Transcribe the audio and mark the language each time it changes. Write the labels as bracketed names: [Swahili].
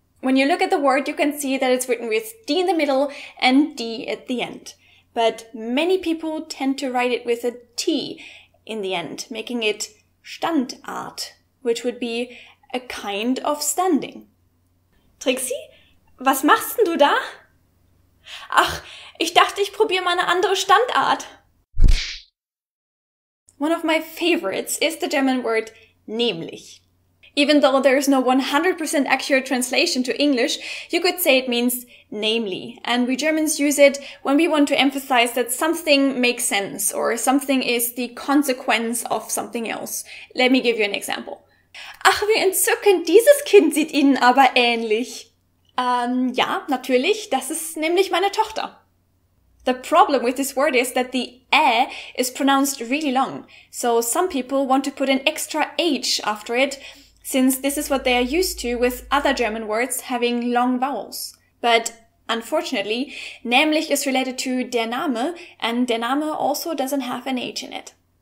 [English] When you look at the word, you can see that it's written with D in the middle and D at the end. But many people tend to write it with a T in the end, making it Standart, which would be a kind of standing. [German] Trixie, was machst denn du da? Ach, ich dachte, ich probiere mal eine andere Standart. [English] One of my favorites is the German word nämlich. Even though there is no 100% accurate translation to English, you could say it means namely, and we Germans use it when we want to emphasize that something makes sense or something is the consequence of something else. Let me give you an example. [German] Ach, wie entzückend, dieses Kind sieht Ihnen aber ähnlich. Ja, natürlich, das ist nämlich meine Tochter. [English] The problem with this word is that the ä is pronounced really long, so some people want to put an extra H after it, since this is what they are used to with other German words having long vowels. But unfortunately, nämlich is related to der Name, and der Name also doesn't have an H in it.